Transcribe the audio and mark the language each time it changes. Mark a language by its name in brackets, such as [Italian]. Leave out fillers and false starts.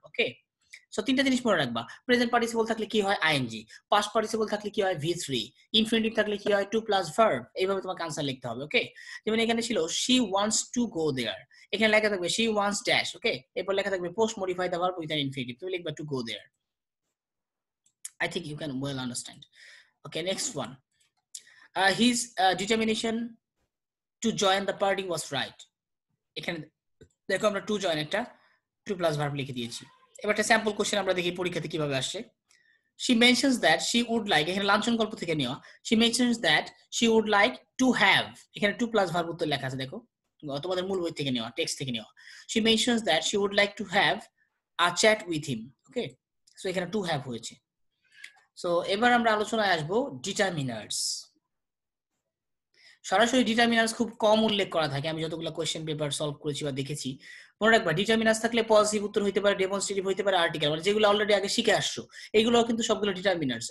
[Bangla] ওকে, so তিনটা জিনিস মনে রাখবা, প্রেজেন্ট পার্টিসিপল থাকলে কি হয় আইএনজি, পাস্ট পার্টিসিপল থাকলে কি হয় ভি থ্রি, ইনফিনিটিভ থাকলে কি হয় টু প্লাস ভার্ব, এইভাবে তোমাকে আনসার লিখতে হবে। ওকে, যেমন এখানে ছিল [English] she wants to go there, [Bangla] এখানে লেখা থাকবে [English] She wants dash. Okay, [Bangla] এরপর লেখা থাকবে [English] post modify the verb with an infinitive, [Bangla] তুমি লিখবা [English] To go there. I think you can well understand. Okay, next one. His determination to join the party was right. [Bangla] এখানে দেখো আমরা টু জয়েন একটা two plus verb লিখে দিয়েছি। এবার একটা স্যাম্পল কোশ্চেন আমরা দেখি পরীক্ষাতে কিভাবে আসছে। [English] She mentions that she would like, [Bangla] এখানে লাঞ্ছন গল্প থেকে নেওয়া, [English] she mentions that she would like to have, [Bangla] এখানে টু প্লাস ভার্ব উত্তর লেখা আছে, দেখো তোমাদের মূল বই থেকে নেওয়া, টেক্সট থেকে নেওয়া। [English] She mentions that she would like to have a chat with him. [Bangla] Okay, so এখানে টু হ্যাভ হয়েছে। সো এবার আমরা আলোচনায় আসবো ডিটারমিনার্স। সরাসরি ডিটারমিনার্স খুব কম উল্লেখ করা থাকে, আমি যতগুলো কোয়েশ্চেন পেপার সলভ করেছি বা দেখেছি। মনে রাখবা ডিটারমিনার্স থাকলে পজিটিভ উত্তর হতে পারে, ডেমনস্ট্রেটিভ হতে পারে, আর্টিকেল, মানে যেগুলো অলরেডি আগে শিখে আসছো এগুলোও কিন্তু সবগুলো ডিটারমিনার্স।